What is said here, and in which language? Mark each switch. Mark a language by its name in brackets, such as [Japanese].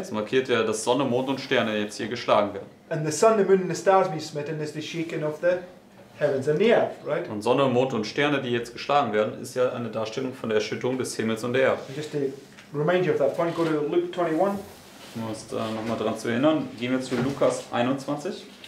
[German] Es markiert ja, dass Sonne, Mond und Sterne jetzt hier geschlagen werden. [English] And the sun, the moon and the stars being smitten is the shaking of the heavens and the earth, right? [German] Und Sonne, Mond und Sterne, die jetzt geschlagen werden, ist ja eine Darstellung von der Erschütterung des Himmels und der Erde. [English] And just to remind you of that point, go to Luke 21. [German] Um uns da nochmal dran zu erinnern, gehen wir zu Lukas 21.